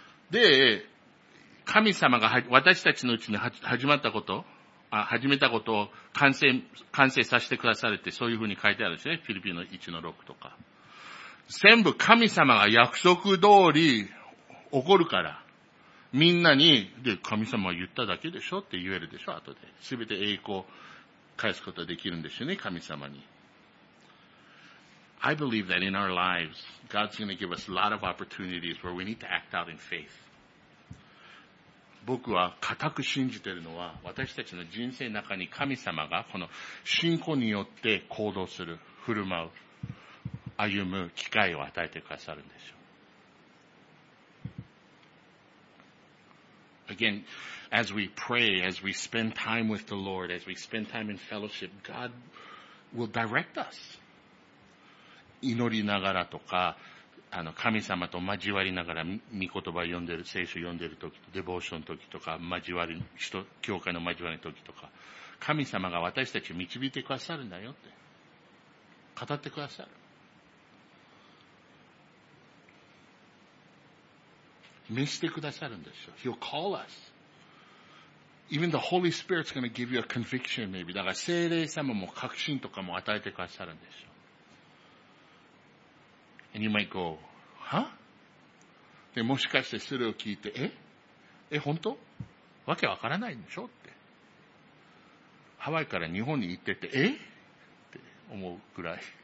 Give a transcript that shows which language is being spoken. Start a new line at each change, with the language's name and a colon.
Japanese: で、神様が私たちのうちに始まったこと、始めたことを完成させてくだされて、そういうふうに書いてあるんですね。フィリピンの1の6とか。全部神様が約束通り起こるから、みんなに、で、神様は言っただけでしょって言えるでしょ、後で。すべて栄光、返すことができるんですよね、神様に。
English: I believe that in our lives, God's going to give us a lot of opportunities where we need to act out in faith.
Japanese: 僕は固く信じているのは、私たちの人生の中に神様がこの信仰によって行動する、振る舞う、歩む機会を与えてくださるんですよ。
English: Again, as we pray, as we spend time with the Lord, as we spend time in fellowship, God will direct us.
Japanese: 祈りながらとか、神様と交わりながら、御言葉を読んでる、聖書を読んでるとき、デボーションのときとか、交わり、教会の交わりのときとか、神様が私たちを導いてくださるんだよって、語ってくださる。見せてくださるんですよ。
English: He'll call us. Even the Holy Spirit's going to give you a conviction, maybe.
Japanese: だから聖霊様も確信とかも与えてくださるんですよ。
English: And you might go, huh?
Japanese: で、もしかしてそれを聞いて、え本当？わけわからないんでしょって。ハワイから日本に行ってて、えって思うくらい。